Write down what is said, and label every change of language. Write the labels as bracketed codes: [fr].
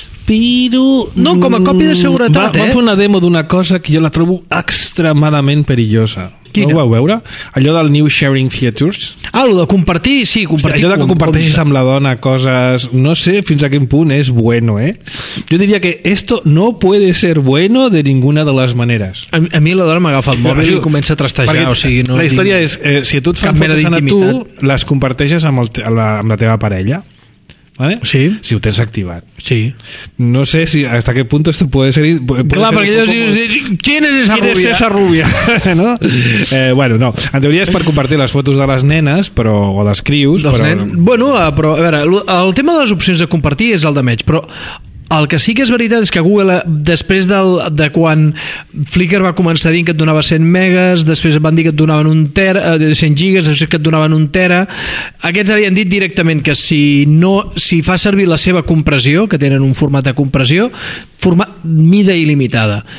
[ca] però... no, com a còpia de seguretat, va fer una demo d'una cosa que jo la trobo extremadament perillosa. Quina? No ho vau veure? Allò del new sharing features. Ah, allò de compartir, sí, compartir. Allò de que comparteixis amb la dona coses, no sé fins a quin punt és bueno, eh? Jo diria que [es] esto no puede ser bueno de ninguna de [ca] les maneres. A mi la dona m'agafa el mòbil i comença a trastejar, o sigui... No, la història és, si tu et fan fotos a tu, les comparteixes amb la teva parella. Vale? Sí. Si ho tens activat. Sí. [es] No sé si hasta qué punto esto puede ser. [ca] Clar, perquè [es] ellos dius, ¿quién es esa rubia? ¿Quién es esa rubia? No? Bueno, no. [ca] En teoria és per compartir les fotos de les nenes, però, o les crius. Però... bueno, però a veure, el tema de les opcions de compartir és el de menys, però el que sí que és veritat és que Google, després de quan Flickr va començar dient que et donava 100 megas, després van dir que et donaven un tera, 100 gigas, després que et donaven un tera, aquests ara han dit directament que si fa servir la seva compressió, que tenen un format de compressió, mida il·limitada.